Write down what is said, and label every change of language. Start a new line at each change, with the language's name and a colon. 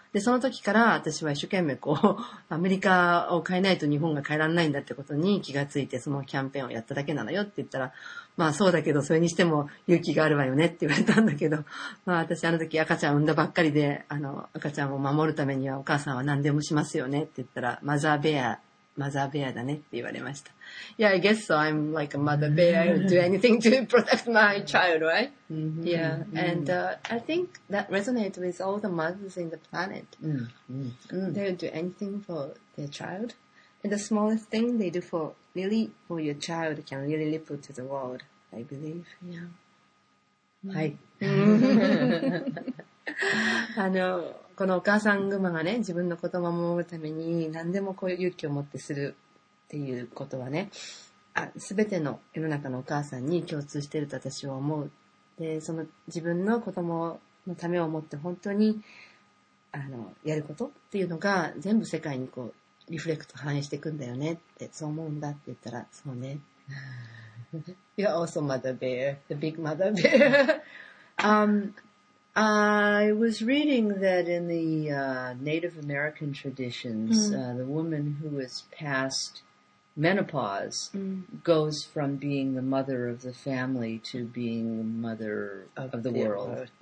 Japanese: で、その時から私は一生懸命こう、アメリカを変えないと日本が変えられないんだってことに気がついて、そのキャンペーンをやっただけなのよって言ったら、まあそうだけど、それにしても勇気があるわよねって言われたんだけど、まあ私あの時赤ちゃん産んだばっかりで、赤ちゃんを守るためにはお母さんは何でもしますよねって言ったら、マザーベアだねって言われました。
English: Yeah, I guess so. I'm like a mother bear. I would do anything to protect my child, right? Mm-hmm. Yeah. Mm-hmm. And I think that resonates with all the mothers in the planet. Mm-hmm. They would do anything for their child. And the smallest thing they do for really, for your child can really ripple to the world, I believe. Yeah.
Japanese: はい。このお母さんグマがね、自分の子供を守るために何でもこういう勇気を持ってする。っていうことはね、すべての世の中のお母さんに共通していると私は思う。で、その自分の子供のためを思って本当にやることっていうのが全部世界にこうリフレクト反映していくんだよねってそう思うんだって言ったら、そうね。
English: You're also mother bear, the big mother bear. I was reading that in the Native American traditions,、mm-hmm. The woman who is passedMenopause goes from being the mother of the family to being the mother of the world.